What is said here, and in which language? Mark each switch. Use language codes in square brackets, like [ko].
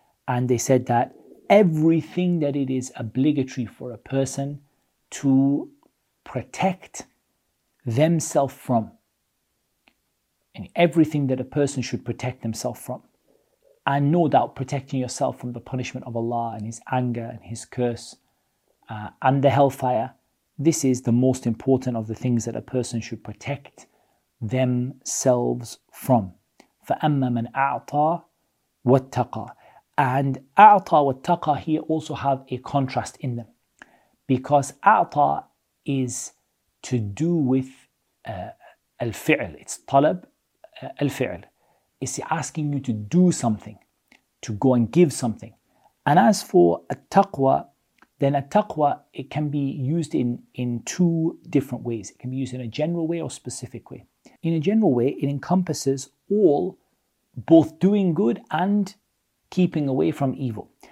[en] And they said that everything that it is obligatory for a person to protect themselves from, and everything that a person should protect themselves from, and no doubt protecting yourself from the punishment of Allah and His anger and His curse and the hellfire, this is the most important of the things that a person should protect themselves from. [ar] فَأَمَّا مَنْ أَعْطَى وَاتَّقَى. [en] And [ar] أَعْطَى وَاتَّقَى [en] here also have a contrast in them. Because أَعْطَى is to do with الْفِعْل. [ar] It's طَلَب الْفِعْل. [en] It's asking you to do something, to go and give something. And as for التَّقْوَى, then a taqwa, it can be used in two different ways. It can be used in a general way or specific way. In a general way, it encompasses all, both doing good and keeping away from evil.